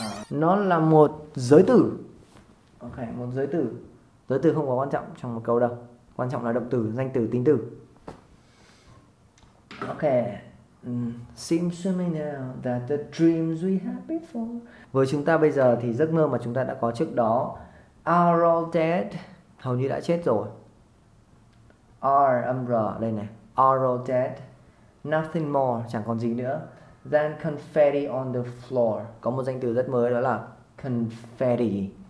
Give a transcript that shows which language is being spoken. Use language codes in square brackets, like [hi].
[vi] Nó là một giới từ. Ok, một giới từ. Giới từ không có quan trọng trong một câu đâu. Quan trọng là động từ, danh từ, tính từ. Ok. [en] Seems to me now that the dreams we had before. [vi] Với chúng ta bây giờ thì giấc mơ mà chúng ta đã có trước đó [en] are all dead. [vi] Hầu như đã chết rồi. Are, âm R đây này. [en] Are all dead. Nothing more, [vi] chẳng còn gì nữa. [en] Than confetti on the floor. [vi] Có một danh từ rất mới đó là confetti.